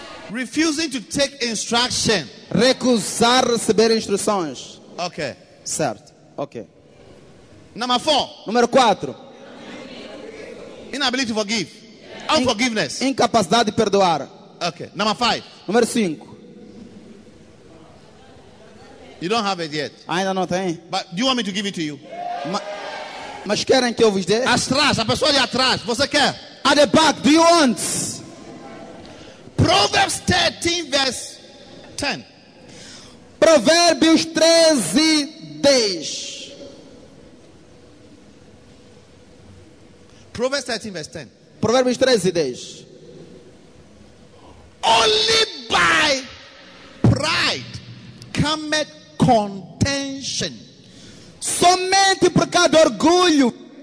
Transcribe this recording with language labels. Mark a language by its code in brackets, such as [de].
[en] Refusing to take instruction. [pt] Recusar receber instruções. [en] Okay. [pt] Certo. Okay. [en] Number four. [pt] Número quatro. [en] Inability to forgive. Unforgiveness. [pt] Incapacidade de perdoar. [en] Okay, number 5. [pt] Número 5. [en] You don't have it yet. [pt] Ainda não tem. [en] But do you want me to give it to you? [pt] Mas querem que eu vos dê? Atrás, a pessoa de atrás, você quer? [en] At the back, do you want? Proverbs 13, verse 10. [pt] Provérbios 13, 10. [en] Proverbs 13, verse 10. [pt] Provérbios 13, 10. [en] Only by pride cometh contention. [pt] Somente por causa do orgulho.